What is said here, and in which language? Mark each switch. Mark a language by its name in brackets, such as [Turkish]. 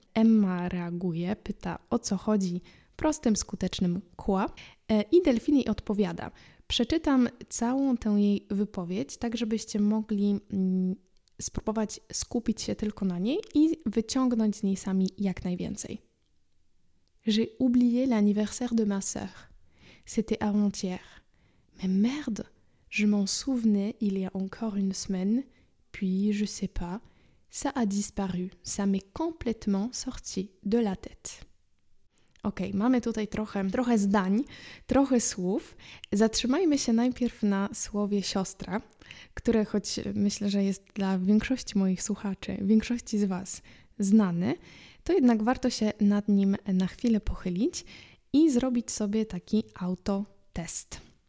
[Polish] Emma reaguje, pyta o co chodzi prostym, skutecznym kła i Delphine jej odpowiada. Przeczytam całą tę jej wypowiedź, tak żebyście mogli spróbować skupić się tylko na niej i wyciągnąć z niej sami jak najwięcej. [French] J'ai oublié l'anniversaire de ma sœur. C'était avant-hier. Mais merde, je m'en souvenais il y a encore une semaine, puis je sais pas, ça a disparu, ça m'est complètement sorti de la tête. [Polish] Ok, mamy tutaj trochę zdań, trochę słów. Zatrzymajmy się najpierw na słowie siostra, które choć myślę, że jest dla większości moich słuchaczy, większości z Was znane, to jednak warto się nad nim na chwilę pochylić i zrobić sobie taki autotest.